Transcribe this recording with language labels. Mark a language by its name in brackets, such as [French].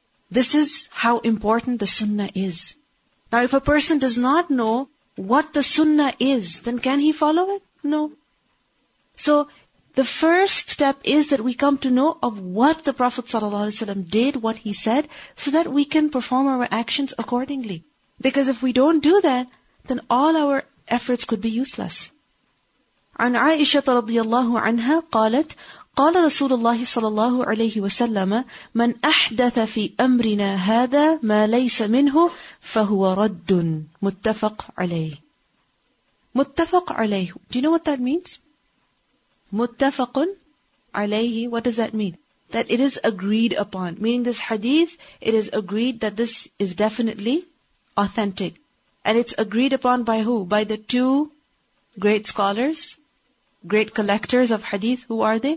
[English] This is how important the sunnah is. Now, if a person does not know what the sunnah is, then can he follow it? No. So, the first step is that we come to know of what the Prophet ﷺ did, what he said, so that we can perform our actions accordingly. Because if we don't do that, then all our efforts could be useless. [Arabic] عن عائشة رضي الله عنها قالت قال رسول الله صلى الله عليه وسلم من أحدث في أمرنا هذا ما ليس منه فهو رد. متفق عليه. متفق عليه. [English] Do you know what that means? [Arabic] متفق عليه. [English] What does that mean? That it is agreed upon. Meaning this hadith, it is agreed that this is definitely authentic. And it's agreed upon by who? By the two great scholars, great collectors of hadith. Who are they?